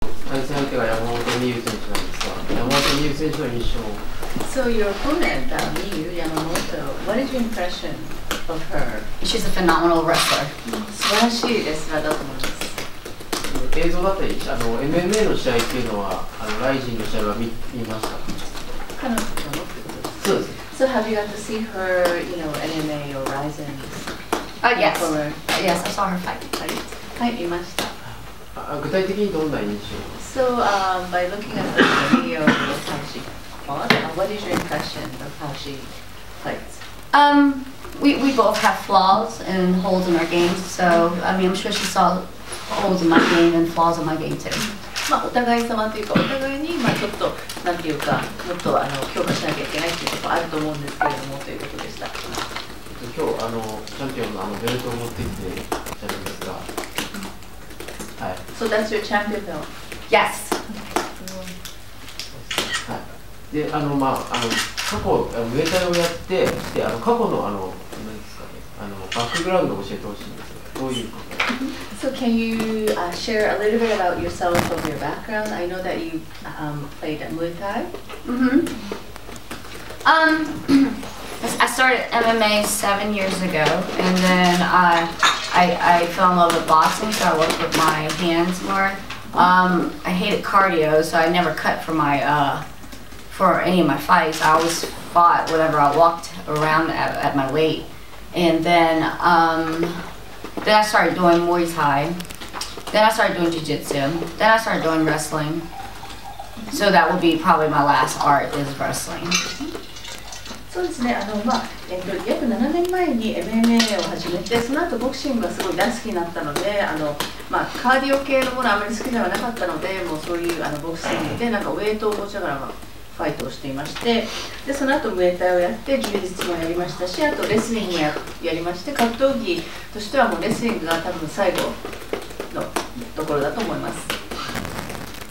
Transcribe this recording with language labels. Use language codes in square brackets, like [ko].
[ja] 戦相手が山本美優選手なんですが、山本美優選手の印象。 [en] So your opponent, Miyu Yamamoto, what is your impression of her? She's a phenomenal wrestler. [ja] 素晴らしいレスラーだと思います。映像だったり、あの MMA の試合っていうのは、あのライジンの試合は 見ましたか？彼女のってことですか？そうです。 [en] So have you got to see her, you know, MMA or Rizin? Yes, I saw her fight. [ja] はい、見ました。具体的にどんな印象？ [en] So, by looking at the video of how she fought, what is your impression of how she fights? We both have flaws and holes in our games, so I mean, I'm sure she saw holes in my game and flaws in my game too. [ja] まあ、お互い様というか、お互いにまあちょっと、なんていうか、もっとあの強化しなきゃいけないっていうところあると思うんですけれども、ということでした。今日、あのチャンピオンの、 あのベルトを持ってきていらっしゃるんですが、 [en] So that's your champion belt? Yes! [ja] で、あの、まあ、あの、過去、ウェイターをやって、で、あの、過去の、あの、何ですかね、あの、バックグラウンドを教えてほしいんですが、どういうこと？ [en] So can you, share a little bit about yourself of your background? I know that you, played at Muay Thai? I started MMA 7 years ago, and then I fell in love with boxing, so I worked with my hands more. I hated cardio, so I never cut for my for any of my fights. I always fought whenever I walked around at my weight, and then I started doing Muay Thai. Then I started doing Jiu-Jitsu. Then I started doing wrestling. So that will be probably my last art is wrestling. [ja] そうですね、あの、まあ約7年前に MMA を始めて、その後ボクシングがすごい大好きになったので、あの、まあ、カーディオ系のものあまり好きではなかったので、もうそういうあのボクシングでなんかウェイトを持ちながら、まあ、ファイトをしていまして、でその後ムエタイをやって充実もやりましたし、あとレスリングも やりまして、格闘技としてはもうレスリングが多分最後のところだと思います。